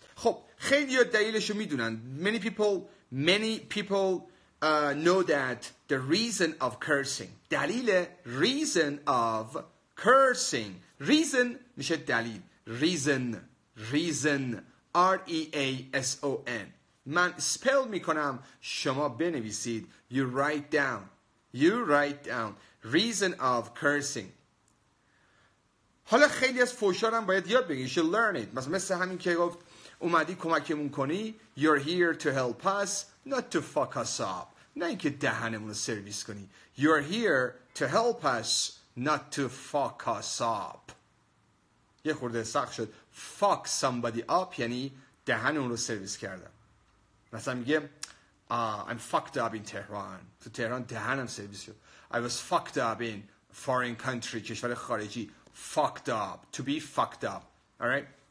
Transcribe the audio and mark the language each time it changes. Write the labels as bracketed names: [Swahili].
[Persian] خب خیلی ها دلیلشو میدونن. [English] Many people know that the reason of cursing. دلیل, reason of cursing. Reason [Persian] میشه دلیل. [English] Reason, reason, R-E-A-S-O-N. [Persian] من spell میکنم شما بنویسید. [English] You write down, you write down. Reason of cursing. [Persian] حالا خیلی از فوشار هم باید یاد بگیری. [English] You should learn it. [Persian] مثل همین که گفت اومدی کمکمون کنی. [English] You're here to help us, not to fuck us up. [Persian] نه اینکه دهنمون رو سرویس کنی. [English] You're here to help us, not to fuck us up. [Persian] یه خورده سخت شد. [English] Fuck somebody up [Persian] یعنی دهنمون رو سرویس کردن. مثلا میگه [English] I'm fucked up in Tehran. [Persian] تو تهران دهنم سرویس شد. [English] I was fucked up in foreign country, [Persian] کشور خارجی. [English] Fucked up, to be fucked up. Alright?